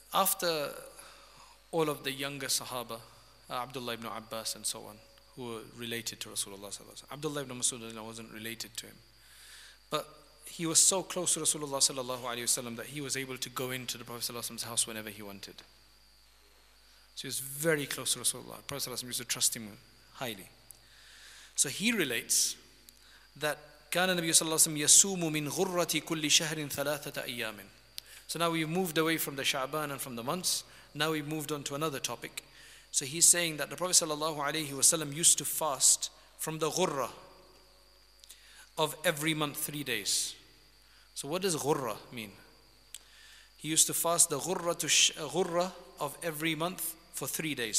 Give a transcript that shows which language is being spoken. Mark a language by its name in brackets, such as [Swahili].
[English] After all of the younger Sahaba, Abdullah ibn Abbas and so on, who were related to Rasulullah sallallahu alaihi wasallam, Abdullah ibn Mas'ud radiallahu anhu wasn't related to him, but he was so close to Rasulullah sallallahu alaihi wasallam that he was able to go into the Prophet sallallahu alaihi wasallam's house whenever he wanted. So he was very close to Rasulullah. The Prophet sallallahu alaihi wasallam used to trust him highly. So he relates that [Arabic] كان النبي صلى الله عليه وسلم يسوم من غرة كل شهر ثلاثة أيام. [English] So now we've moved away from the Sha'ban and from the months. Now we've moved on to another topic. So he's saying that the Prophet صلى الله عليه وسلم used to fast from the غرة of every month 3 days. So what does غرة mean? He used to fast the غرة of every month for 3 days.